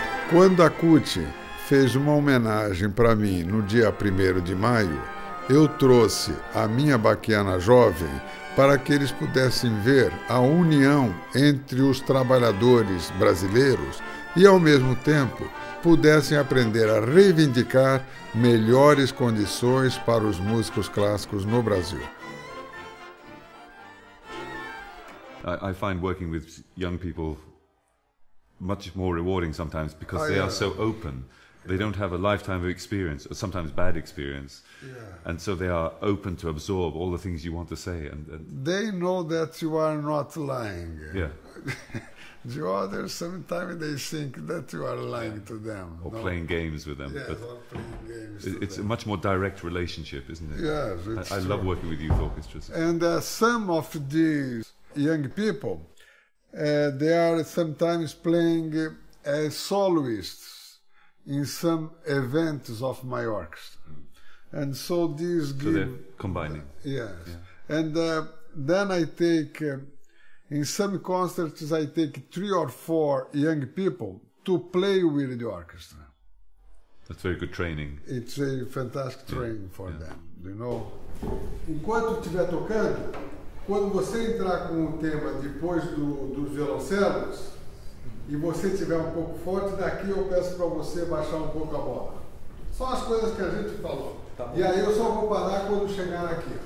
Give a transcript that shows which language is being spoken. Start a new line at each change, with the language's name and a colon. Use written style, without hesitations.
Portuguese: Quando a CUT fez uma homenagem para mim no dia 1º de maio, eu trouxe a minha baquiana jovem para que eles pudessem ver a união entre os trabalhadores brasileiros e, ao mesmo tempo, pudessem aprender a reivindicar melhores condições para os músicos clássicos no Brasil.
English: I find working with young people much more rewarding sometimes because they are so open. They don't have a lifetime of experience, or sometimes bad experience. Yeah. And so they are open to absorb all the things you want to say. And they know that you are not lying. Yeah. The others, sometimes they think that you are lying to them. Or no. Playing games with them. Yes, but playing games it's them. A much more direct relationship, isn't it? Yes, I love working with youth orchestras. And some of these young people, they are sometimes playing as soloists in some events of my orchestra. And so these give... So they're combining. Yes. Yeah. And then I take, in some concerts, I take 3 or 4 young people to play with the orchestra. That's very good training. It's a fantastic training for them, you know.
Portuguese: Enquanto estiver tocando, quando você entrar com o tema depois dos violoncelos e você estiver um pouco forte, daqui eu peço para você baixar um pouco a bola. Só as coisas que a gente falou. Tá e aí eu só vou parar quando chegar aqui.